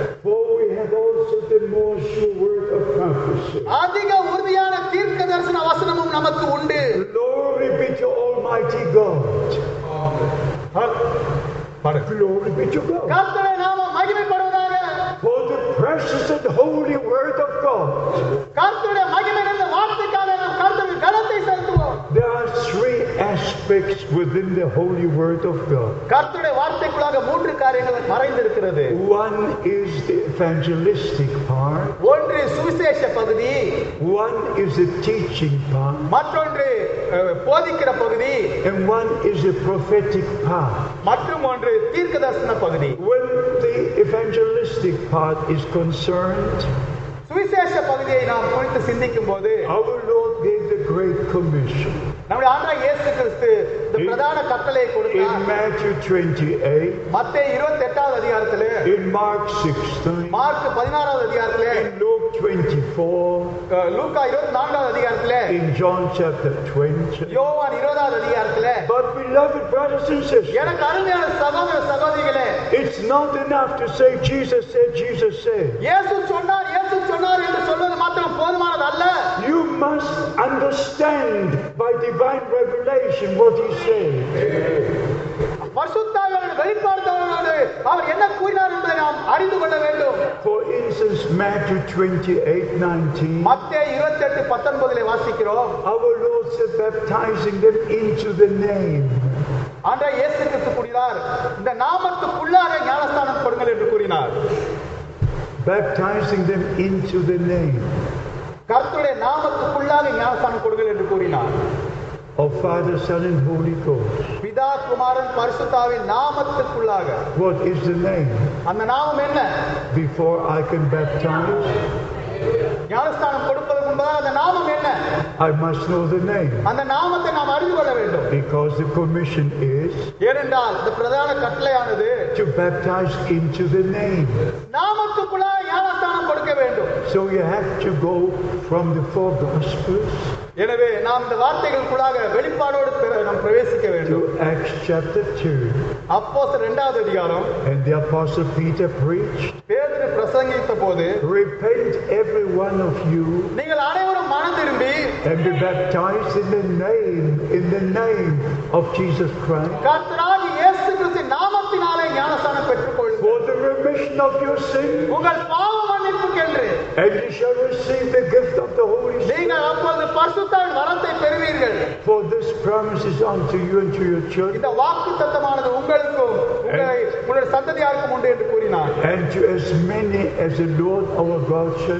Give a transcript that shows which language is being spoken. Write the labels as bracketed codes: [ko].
[en] for we have also the more sure word of prophecy. [ta] அதிக உறுதியான தீர்க்க தரிசன வசனமும் நமக்கு உண்டு. [en] Glory be to Almighty God. Glory be to God. [ta] கர்த்தரே நாம மகிமைப்படுவதாக. [en] For the precious and holy word of God. [ta] கர்த்தருடைய மகிமை நிறைந்த வார்த்தைக்காக நாம் கர்த்தருக்கு கனத்தை செலுத்துவோம். [en] Three aspects within the holy word of God. [ta] கர்த்தருடைய வார்த்தைக்குள்ளாக மூன்று காரியங்கள் மறைந்திருக்கிறது. [en] One is the evangelistic part. [ta] ஒன்று சுவிசேஷ பகுதி. [en] One is the teaching part. [ta] மற்றொன்று போதிக்கிற பகுதி. [en] And one is the prophetic part. [ta] மற்றும் ஒன்று தீர்க்கதரிசன பகுதி. [en] When the evangelistic part is concerned, [ta] சுவிசேஷ பகுதியை நாம் குறித்து சிந்திக்கும் போது, [en] our Lord gave the great commission. [ta] நம்முடைய ஆண்டவர் இயேசு கிறிஸ்து பிரதான கட்டளை கொடுத்தார். [en] In Matthew 28, [ta] மத்தேயு 28வது அதிகாரத்திலே. [en] In Mark 16, [ta] மார்க் 16வது அதிகாரத்திலே. [en] In Luke 24, [ta] லூக்கா 24வது அதிகாரத்திலே. [en] In John chapter 20, [ta] யோவான் 20வது அதிகாரத்திலே. [en] But beloved brothers and sisters, [ta] எனக்கு அருமையான சகோதர சகோதரிகளே, [en] it's not enough to say Jesus said, Jesus said. [ta] இயேசு சொன்னார், இயேசு சொன்னார் என்று சொல்வது மட்டும் போதுமானது அல்ல. [en] You must understand by divine revelation what he said. [ta] பரிசுத்தாவியானவர் வெளிப்படுத்தவர்களோடு அவர் என்ன கூறினார் என்பதை நாம் அறிந்து கொள்ள வேண்டும். [en] For instance, Matthew 28:19. [ta] மத்தேயு 28:19 வாசிக்கிறோம். [en] Our Lord said, baptizing them into the name. [ta] ஆண்டவர் இயேசு கிறிஸ்து கூறினார், இந்த நாமத்துக்குள்ளாக ஞானஸ்தானம் கொடுங்கள் என்று கூறினார். [en] baptizing them into the name. [ta] கர்த்தருடைய நாமத்துக்குள்ளாக ஞானசானம் கொடுங்கள் என்று கூறினார். [en] Of Father, Son, and Holy Ghost. [ta] பிதா குமாரன் பரிசுத்தாவின் நாமத்துக்குள்ளாக. [en] What is the name? [ta] அந்த நாமம் என்ன? [en] Before I can baptize. [ta] ஞானஸ்தானம் கொடுப்பதற்கு முன்பதாக அந்த நாமம் என்ன? [en] I must know the name. [ta] அந்த நாமத்தை நாம் அறிந்து கொள்ள வேண்டும். [en] Because the commission is. [ta] ஏனென்றால் இந்த பிரதான கட்டளையானது. [en] To baptize into the name. [ta] நாமத்துக்குள்ளாக ஞானஸ்தானம் கொடுக்க வேண்டும். [en] So you have to go from the four gospels. [ta] எனவே நாம் இந்த வார்த்தைகளுக்குள்ளாக வெளிப்பாடோடு நாம் பிரவேசிக்க வேண்டும். [en] To Acts chapter 2. [ta] அப்போஸ்தலர் இரண்டாவது அதிகாரம். [en] And the apostle Peter preached. [ta] பேதுரு பிரசங்கித்த போது. [en] Repent every one of you. [ta] நீங்கள் அனைவரும் மனந்திரும்பி. [en] And be baptized in the name of Jesus Christ. [ta] கர்த்தராகிய இயேசு கிறிஸ்துவின் நாமத்தினாலே ஞானஸ்தானம் பெற்றுக் கொள்ளுங்கள். [en] For the remission of your sins. [ta] உங்கள் பாவ மன்னிப்புக்கு என்று. [en] And you shall receive the gift of the Holy Spirit. [ta] நீங்கள் அப்போது பரிசுத்தாவின் வரத்தை பெறுவீர்கள். [en] For this promise is unto you and to your children. [ta] இந்த வாக்குத்தத்தமானது உங்களுக்கும் உங்கள் சந்ததியாருக்கும் உண்டு என்று கூறினார். [en] And to as many as the Lord our God shall